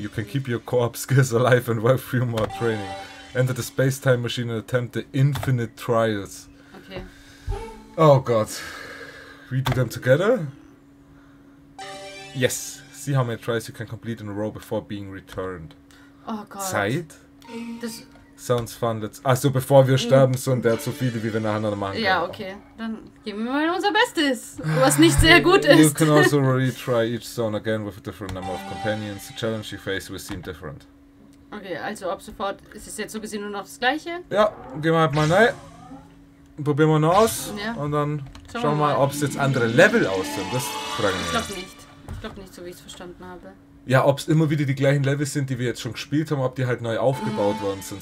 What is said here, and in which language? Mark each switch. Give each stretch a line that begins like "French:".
English: You can keep your co-op skills alive and work through more training. Enter the space-time machine and attempt the infinite trials. Okay.
German: Oh Gott.
English: We do them together? Yes. See how many tries you can complete in a row before being returned.
German: Oh Gott. Zeit? Das
English: sounds fun.
German: Also bevor wir sterben, so und der hat so viele, wie wir nacheinander machen können. Ja, okay. Dann geben wir mal unser Bestes, was nicht sehr gut ist.
English: You can also retry each zone again with a different number of companions. The challenge you face will seem different.
German: Okay, also ab sofort ist es jetzt so gesehen nur noch das Gleiche. Ja, gehen wir halt mal rein. Probieren wir noch aus. Ja. Und dann schauen wir mal, ob es jetzt andere Level aus sind. Das fragen wir. Ich glaube nicht. Ich glaube nicht, so wie ich es verstanden habe. Ja, ob es immer wieder die gleichen Levels sind, die wir jetzt schon gespielt haben, ob die halt neu aufgebaut worden sind.